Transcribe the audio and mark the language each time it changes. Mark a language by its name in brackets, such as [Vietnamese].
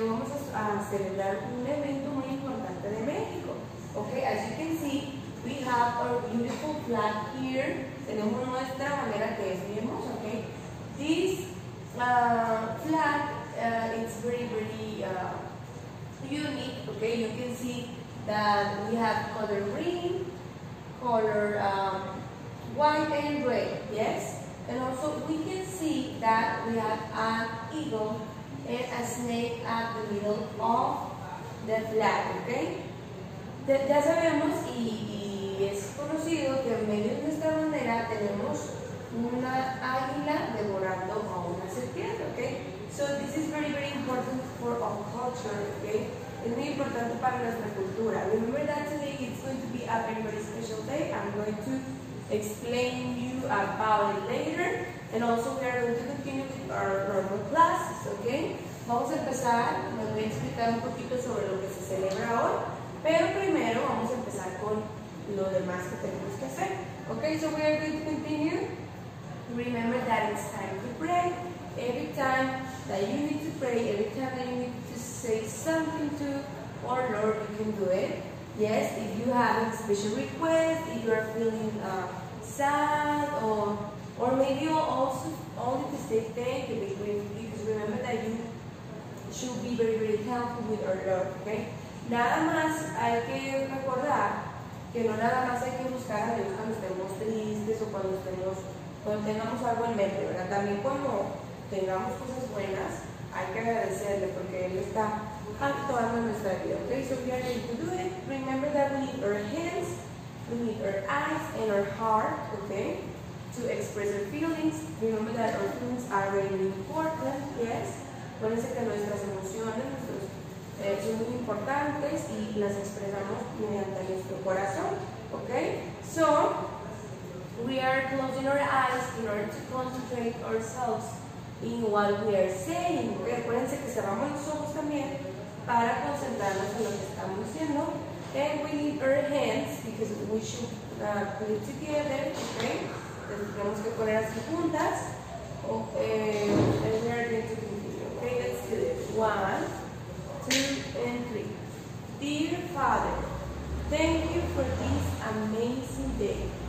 [Spanish] Vamos a celebrar un evento muy importante de México, okay? [English] As you can see, we have our beautiful flag here. [Spanish] Tenemos nuestra bandera que es bien hermosa, okay? [English] This flag, it's very, very unique, okay? You can see that we have color green, color white and red, yes? And also we can see that we have an eagle and a snake at the middle of the flag, okay? [Spanish] Ya sabemos y es conocido que en medio de esta bandera tenemos una águila devorando a una serpiente, okay? [English] So this is very, very important for our culture, okay? [Spanish] Es muy importante para nuestra cultura. [English] Remember that today it's going to be a very, very special day. I'm going to explain you about it later. And also we are going to continue with our normal classes, okay? [Spanish] Vamos a empezar, me voy a explicar un poquito sobre lo que se celebra hoy. Pero primero vamos a empezar con lo demás que tenemos que hacer. [English] Okay, so we are going to continue. Remember that it's time to pray. Every time that you need to pray, every time that you need to say something to our Lord, you can do it. Yes, if you have a special request, if you are feeling sad, or maybe you also only to say thank you, because remember that you should be very, very thankful with our Lord, okay? [Spanish] Nada más hay que recordar que no nada más hay que buscar a Dios cuando estemos tristes o cuando estemos, cuando tengamos algo en mente, ¿verdad? También cuando tengamos cosas buenas, hay que agradecerle porque Él está actuando en nuestra vida, ¿ok? [English] So we are going to do it. Remember that we need our hands, we need our eyes and our heart, ¿ok? To express our feelings. Remember that our feelings are very, very important, yes. [Spanish] Acuérdense que nuestras emociones, nuestros son muy importantes y las expresamos mediante nuestro corazón, ¿ok? [English] So we are closing our eyes in order to concentrate ourselves in what we are saying. [Spanish] Okay, acuérdense que cerramos los ojos también para concentrarnos en lo que estamos diciendo. [English] And we need our hands because we should put it together, okay? [Spanish] Entonces tenemos que poner así juntas. Okay. [English] And we are going to continue. Okay, let's do this. One, two, and three. Dear Father, thank you for this amazing day.